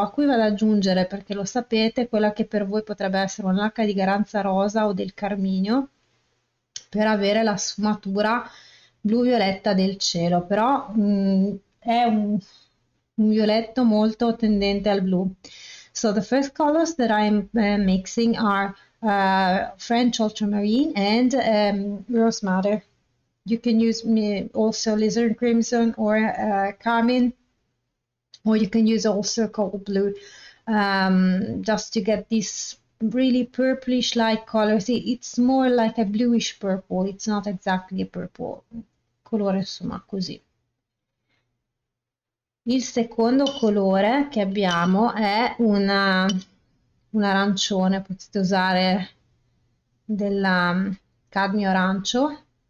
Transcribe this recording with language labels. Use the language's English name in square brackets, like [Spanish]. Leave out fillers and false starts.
[Italian] A cui vado ad aggiungere, perché lo sapete, quella che per voi potrebbe essere una lacca di garanzia rosa o del carminio per avere la sfumatura blu-violetta del cielo, però è un violetto molto tendente al blu. [English] So the first colors that I'm mixing are French ultramarine and rose madder. You can use also lizard crimson or carmine, or you can use also cobalt blue, just to get these really purplish like colors. It's more like a bluish purple, it's not exactly a purple [Italian] colore, insomma, così. Il secondo colore che abbiamo è un arancione, potete usare della cadmio arancio.